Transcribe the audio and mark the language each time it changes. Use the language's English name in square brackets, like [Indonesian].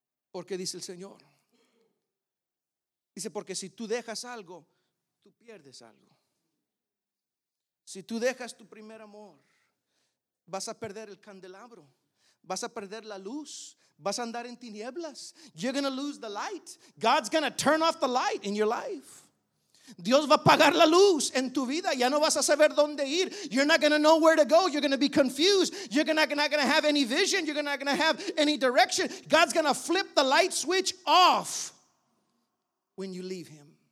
[Spanish] Porque dice el Señor. Dice, porque si tú dejas algo, tú pierdes algo. Si tú dejas tu primer amor, vas a perder el candelabro. Vas a perder la luz. Vas a andar en tinieblas. [English] You're going to lose the light. God's going to turn off the light in your life. [Spanish] Dios va a apagar la luz en tu vida. Ya no vas a saber dónde ir. [English] You're not going to know where to go. You're going to be confused. You're not going to have any vision. You're not going to have any direction. God's going to flip the light switch off when you leave him.